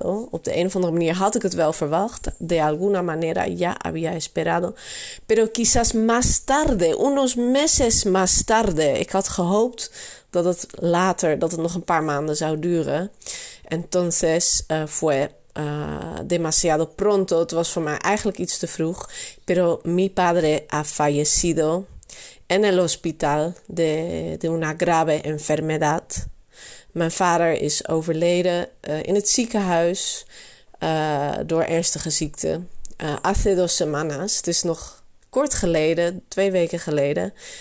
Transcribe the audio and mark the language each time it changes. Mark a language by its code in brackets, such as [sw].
[nl] Op de een of andere manier had ik het wel verwacht. [es] De alguna manera ya había esperado. Pero quizás más tarde, unos meses más tarde. [nl] Ik had gehoopt dat het later, dat het nog een paar maanden zou duren. [es] Entonces fue demasiado pronto. [nl] Het was voor mij eigenlijk iets te vroeg. [es] Pero mi padre ha fallecido en el hospital de una grave enfermedad. [nl] Mijn vader is overleden in het ziekenhuis door ernstige ziekte. [es] Hace dos semanas. [nl] Het is nog kort geleden, 2 weken geleden.